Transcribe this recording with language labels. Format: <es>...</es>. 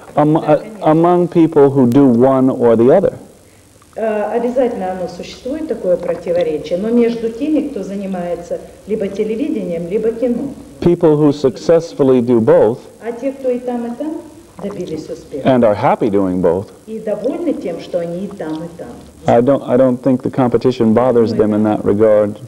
<en>Among people who do one or the other.</en> <ru>Обязательно оно существует, такое противоречие, но между теми, кто занимается либо телевидением, либо кино.</ru> <en>People who successfully do both,</en> <ru>а те, кто и там добились успеха,</ru> <en>and are happy doing both,</en> <ru>и довольны тем, что они и там,</ru> <en>I don't think the competition bothers them in that regard.</en>